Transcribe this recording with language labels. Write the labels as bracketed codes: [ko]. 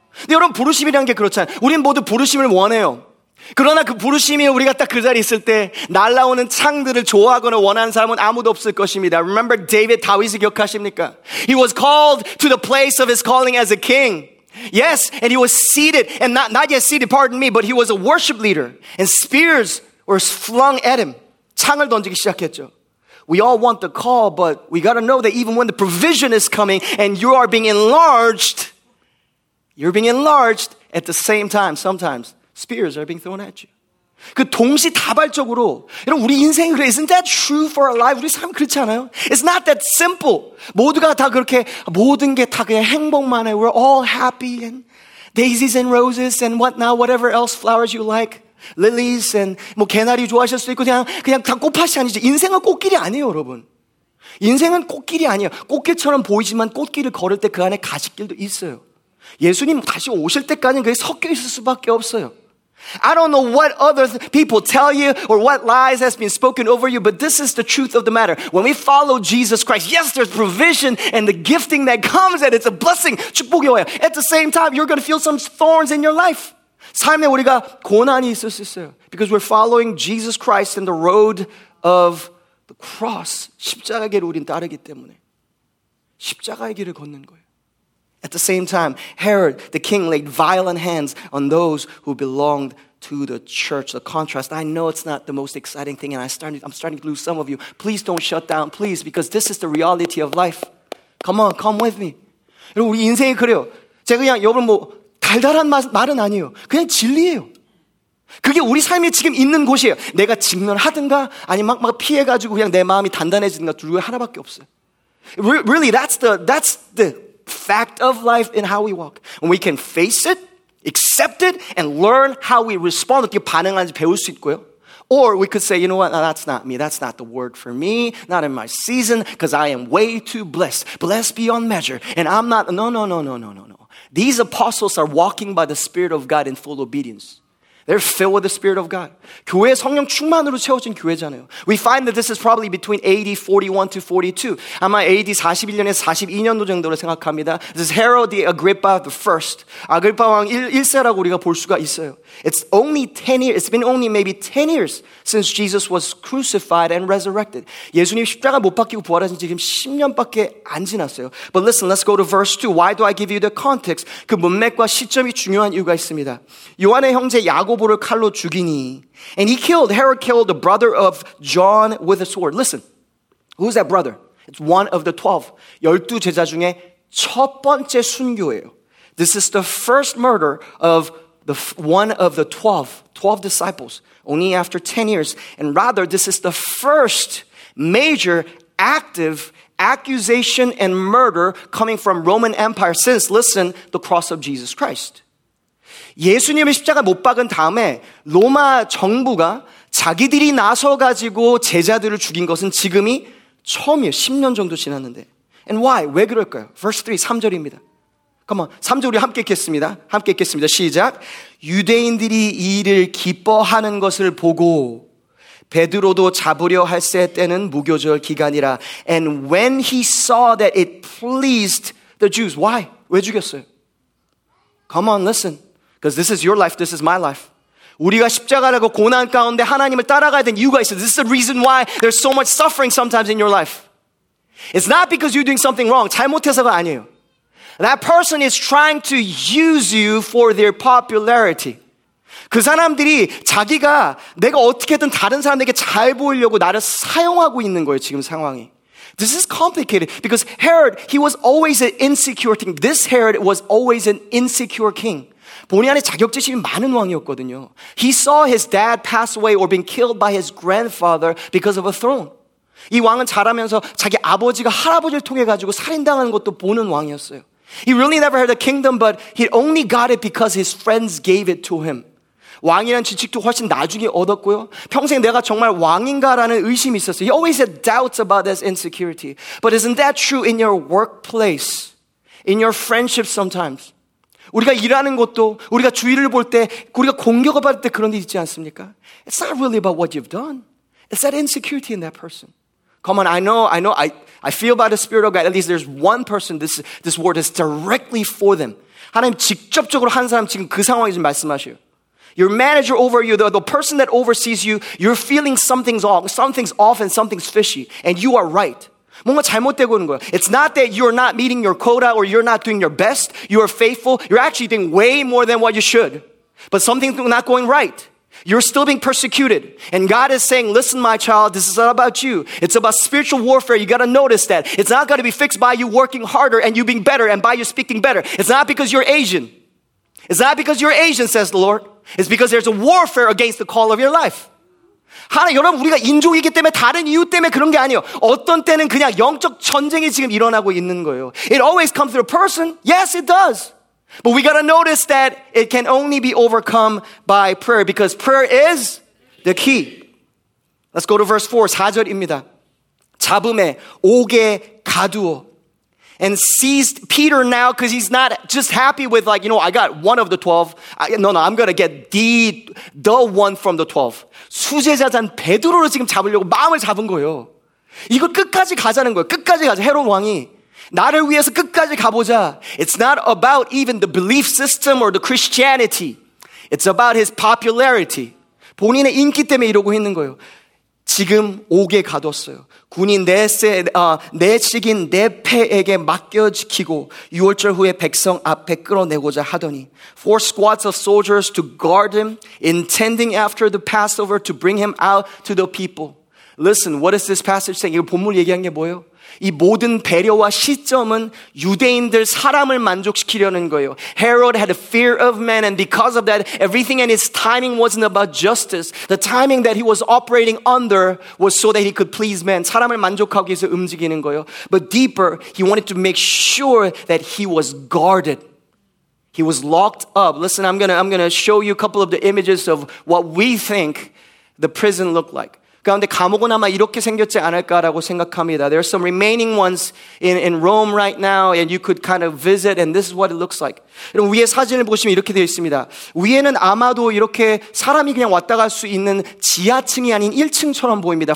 [ko] 여러분, 부르심이라는 게 그렇잖아요. 우린 모두 부르심을 원해요. 그러나 그 부르심이 우리가 딱 그 자리에 있을 때 날아오는 창들을 좋아하거나 원하는 사람은 아무도 없을 것입니다. [en] Remember David, [ko] 다윗이 기억하십니까? [en] He was called to the place of his calling as a king. Yes, and he was seated, and not yet seated, pardon me, but he was a worship leader. And spears were flung at him. [ko] 창을 던지기 시작했죠. [en] We all want the call, but we got to know that even when the provision is coming and you are being enlarged, you're being enlarged at the same time, sometimes. Spears are being thrown at you. [ko] 그 동시 다발적으로 여러분 우리 인생이 그래. [en] Isn't that true for our life? [ko] 우리 삶 그렇지 않아요? [en] It's not that simple. [ko] 모두가 다 그렇게 모든 게 다 그냥 행복만 해. [en] We're all happy and daisies and roses and whatnot, whatever else flowers you like. Lilies and [ko] 뭐 개나리 좋아하실 수도 있고 그냥 다 꽃밭이 아니죠. 인생은 꽃길이 아니에요, 여러분. 인생은 꽃길이 아니에요. 꽃길처럼 보이지만 꽃길을 걸을 때 그 안에 가시길도 있어요. 예수님 다시 오실 때까지는 그게 섞여 있을 수밖에 없어요. [en] I don't know what other people tell you or what lies has been spoken over you, but this is the truth of the matter. When we follow Jesus Christ, yes, there's provision and the gifting that comes and it's a blessing. [ko] 축복이 와요. [en] At the same time, you're going to feel some thorns in your life. [ko] 삶에 우리가 고난이 있을 수 있어요. [en] Because we're following Jesus Christ in the road of the cross. [ko] 십자가의 길을 우린 따르기 때문에. 십자가의 길을 걷는 거예요. [en] At the same time, Herod, the king, laid violent hands on those who belonged to the church. The contrast, I know it's not the most exciting thing, and I'm starting to lose some of you. Please don't shut down, please, because this is the reality of life. Come on, come with me. [ko] 여러분, 우리 인생이 그래요. 제가 그냥, 여러분, 뭐, 달달한 말은 아니에요. 그냥 진리예요. 그게 우리 삶에 지금 있는 곳이에요. 내가 직면하든가, 아니면 막 피해가지고 그냥 내 마음이 단단해지든가, 둘 중에 하나밖에 없어요. [en] Really, that's the fact of life in how we walk. When we can face it, accept it, and learn how we respond, [ko] 어떻게 반응하는지 배울 수 있고요. [en] Or we could say, you know what, no, that's not me. That's not the word for me. Not in my season, because I am way too blessed. Blessed beyond measure. And I'm not, no. These apostles are walking by the Spirit of God in full obedience. They're filled with the Spirit of God. [ko] 교회 성령 충만으로 채워진 교회잖아요. [en] We find that this is probably between AD 41 to 42. [ko] 아마 AD 41년에 42년도 정도로 생각합니다. [en] This is Herod the Agrippa the First. [ko] 아그리파 왕 1세라고 우리가 볼 수가 있어요. [en] It's only 10 years. It's been only maybe 10 years since Jesus was crucified and resurrected. [ko] 예수님 십자가 못 박히고 부활하신 지 지금 10년밖에 안 지났어요. [en] But listen, let's go to verse 2. Why do I give you the context? [ko] 그 문맥과 시점이 중요한 이유가 있습니다. 요한의 형제 야 야고보를 칼로 죽이니. [en] And he killed, Herod killed the brother of John with a sword. Listen, who's that brother? It's one of the 12. [ko] 열두 제자 중에 첫 번째 순교예요. [en] This is the first murder of one of the 12 disciples, only after 10 years. And rather, this is the first major active accusation and murder coming from Roman Empire since, listen, the cross of Jesus Christ. [ko] 예수님의 십자가 못 박은 다음에 로마 정부가 자기들이 나서가지고 제자들을 죽인 것은 지금이 처음이에요. 10년 정도 지났는데. [en] And why? [ko] 왜 그럴까요? [en] Verse 3, [ko] 3절입니다. [en] Come on, [ko] 3절 우리 함께 읽겠습니다. 함께 읽겠습니다. 시작. 유대인들이 이 일을 기뻐하는 것을 보고 베드로도 잡으려 할세 때는 무교절 기간이라. [en] And when he saw that it pleased the Jews. Why? [ko] 왜 죽였어요? [en] Come on, listen. Because this is your life, this is my life. [ko] 우리가 십자가라고 고난 가운데 하나님을 따라가야 된 이유가 있어요. [en] This is the reason why there's so much suffering sometimes in your life. It's not because you're doing something wrong. [ko] 잘못해서가 아니에요. [en] That person is trying to use you for their popularity. [ko] 그 사람들이 자기가 내가 어떻게든 다른 사람들에게 잘 보이려고 나를 사용하고 있는 거예요, 지금 상황이. [en] This is complicated because Herod, he was always an insecure king. This Herod was always an insecure king. [ko] 본인 안에 자격지심이 많은 왕이었거든요. [en] He saw his dad pass away or been killed by his grandfather because of a throne. [ko] 이 왕은 자라면서 자기 아버지가 할아버지를 통해 가지고 살인당하는 것도 보는 왕이었어요. [en] He really never had a kingdom, but he only got it because his friends gave it to him. [ko] 왕이라는 직책도 훨씬 나중에 얻었고요. 평생 내가 정말 왕인가라는 의심이 있었어요. [en] He always had doubts about his insecurity. But isn't that true in your workplace? In your friendship sometimes? [ko] 우리가 일하는 것도 우리가 주위를 볼 때 우리가 공격을 받을 때 그런 일 있지 않습니까? [en] It's not really about what you've done. It's that insecurity in that person. Come on, I feel by the Spirit of God. At least there's one person this word is directly for them. [ko] 하나님 직접적으로 한 사람 지금 그 상황에 좀 말씀하세요. [en] Your manager over you, the person that oversees you, you're feeling something's off and something's fishy. And you are right. [ko] 뭔가 잘못되고 있는 거예요. [en] It's not that you're not meeting your quota or you're not doing your best. You are faithful. You're actually doing way more than what you should. But something's not going right. You're still being persecuted. And God is saying, listen, my child, this is not about you. It's about spiritual warfare. You got to notice that. It's not going to be fixed by you working harder and you being better and by you speaking better. It's not because you're Asian. It's not because you're Asian, says the Lord. It's because there's a warfare against the call of your life. [ko] 하나님, 여러분, 우리가 인종이기 때문에 다른 이유 때문에 그런 게 아니에요. 어떤 때는 그냥 영적 전쟁이 지금 일어나고 있는 거예요. [en] It always comes through a person. Yes, it does. But we got to notice that it can only be overcome by prayer because prayer is the key. Let's go to verse 4. [ko] 4절입니다. 잡음에 옥에 가두어. [en] And seized Peter now because he's not just happy with like, you know, I got one of the 12. I'm going to get the one from the 12. [ko] 수제자단 베드로를 지금 잡으려고 마음을 잡은 거예요. 이거 끝까지 가자는 거예요. 끝까지 가자. 헤롯 왕이 나를 위해서 끝까지 가보자. [en] It's not about even the belief system or the Christianity. It's about his popularity. [ko] 본인의 인기 때문에 이러고 있는 거예요. 지금 옥에 가뒀어요. 군인 내 직인 내 패에게 맡겨지키고 유월절 후에 백성 앞에 끌어내고자 하더니 [en] four squads of soldiers to guard him, intending after the Passover to bring him out to the people. Listen, what is this passage saying? [ko] 이거 본문 얘기한 게 뭐예요? 이 모든 배려와 시점은 유대인들 사람을 만족시키려는 거예요. [en] Herod had a fear of men and because of that, everything and his timing wasn't about justice. The timing that he was operating under was so that he could please men. [ko] 사람을 만족하기 위해서 움직이는 거예요. [en] But deeper, he wanted to make sure that he was guarded. He was locked up. Listen, I'm gonna show you a couple of the images of what we think the prison looked like. [ko] 그런데 감옥은 아마 이렇게 생겼지 않을까라고 생각합니다. [en] There are some remaining ones in Rome right now, and you could kind of visit, and this is what it looks like. [ko] 여러분, 위에 사진을 보시면 이렇게 되어 있습니다. 위에는 아마도 이렇게 사람이 그냥 왔다 갈 수 있는 지하층이 아닌 1층처럼 보입니다.